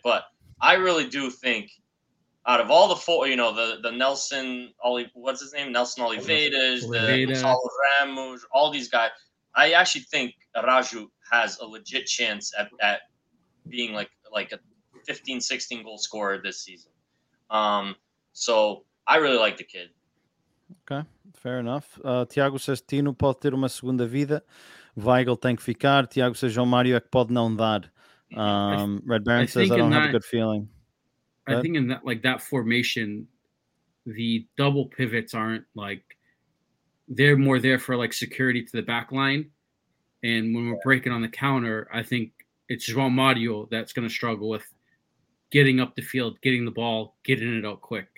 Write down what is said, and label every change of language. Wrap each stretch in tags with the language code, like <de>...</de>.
<en>But I really do think, out of all the four, you know, the Nelson, what's his name? Nelson Olivedas, the Gonzalo Ramos, all these guys. I actually think Araujo has a legit chance at being like a 15, 16 goal scorer this season. So I really like the kid. Okay, fair enough. Thiago says,</en> <pt>Tino pode ter uma segunda vida. Weigl tem que ficar.</pt> <en>Thiago says,</en> <pt>João Mário é que pode não dar.</pt> <en>Red Baron says, I don't have a good feeling. I think in that, like that formation, the double pivots aren't like, they're more there for like security to the back line. And when we're breaking on the counter, I think it's João Mário that's going to struggle with getting up the field, getting the ball, getting it out quick.</en>